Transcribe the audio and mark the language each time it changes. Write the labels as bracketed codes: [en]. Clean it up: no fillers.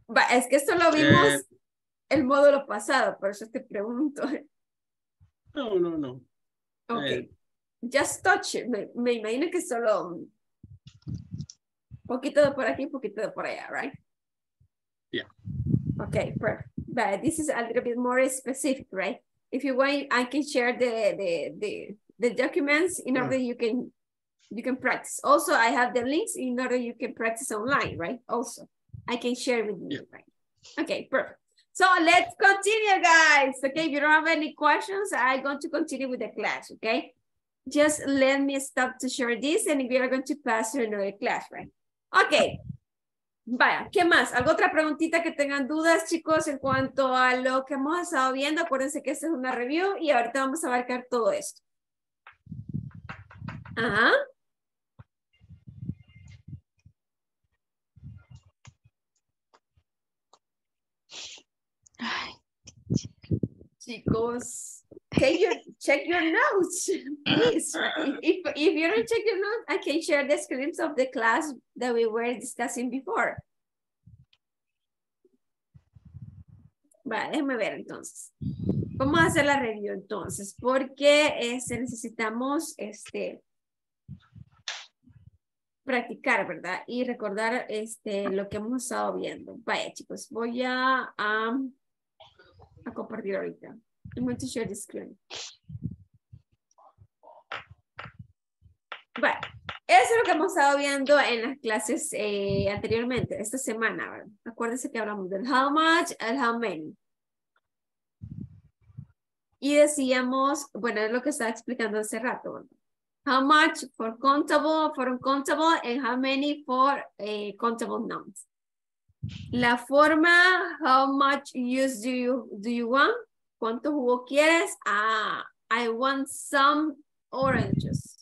[es] Es que esto lo vimos el módulo pasado, por eso te pregunto. No. [en] Okay. Just touch it. [es] Me imagino que solo poquito de por aquí, poquito de por allá, right? [en] Yeah. Okay, perfect. But this is a little bit more specific, right? If you want, I can share the documents in order you can practice. Also, I have the links in order you can practice online, right? Also, I can share with you, right? Okay, perfect. So let's continue, guys. Okay, if you don't have any questions, I'm going to continue with the class, okay? Just let me stop to share this and we are going to pass to another class, right? [es] Okay, vaya, ¿qué más? ¿Algo otra preguntita que tengan dudas, chicos, en cuanto a lo que hemos estado viendo? Acuérdense que esta es una review y ahorita vamos a abarcar todo esto. Ajá. Ay, [en] chicos, check your notes, please. If you don't check your notes, I can share the screens of the class that we were discussing before. [es] Vale, déjame ver entonces. Vamos a hacer la review entonces, porque necesitamos practicar, ¿verdad? Y recordar lo que hemos estado viendo. Vaya, chicos, voy a compartir ahorita. [en] I'm going to share the screen. [es] Vale, eso es lo que hemos estado viendo en las clases anteriormente, esta semana, ¿verdad? Acuérdense que hablamos del how much, el how many. Y decíamos, bueno, es lo que estaba explicando hace rato, ¿verdad? [en] How much for uncountable and how many for countable nouns. [es] La forma, [en] how much use do you want? [es] ¿Cuánto jugo quieres? Ah, [en] I want some oranges.